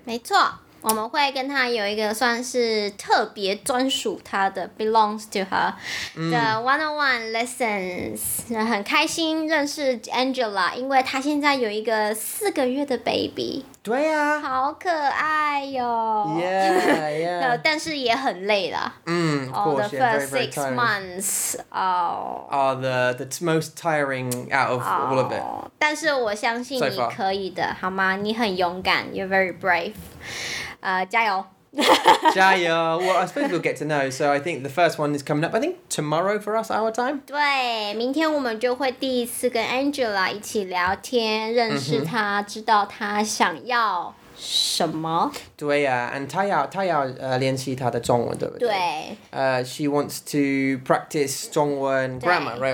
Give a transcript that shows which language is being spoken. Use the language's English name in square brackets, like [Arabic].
[Chinese] 没错，我们会跟她有一个算是特别专属她的 [English] belongs to her, the one-on-one lessons, [Chinese] 很开心认识 Angela, 因为她现在有一个四个月的 baby. 对呀、啊，好可爱哟、 [English] 哦、！Yeah, yeah. [Chinese] 但是也很累了。 [English] Of course, the first very, very six months. Oh. Are the most tiring out of all of it. [Chinese] 但是我相信你可以的，好吗？你很勇敢 ， [English] You're very brave. [Chinese] 加油！加油 [English] Well, I suppose we'll get to know. So I think the first one is coming up, I think, tomorrow for us, our time. [Chinese] 对，明天我们就会第一次跟 Angela 一起聊天，认识她，知道她想要什么。对啊 and 她要练习她的中文，对不对？对。 [English] She wants to practice 中文 grammar, right?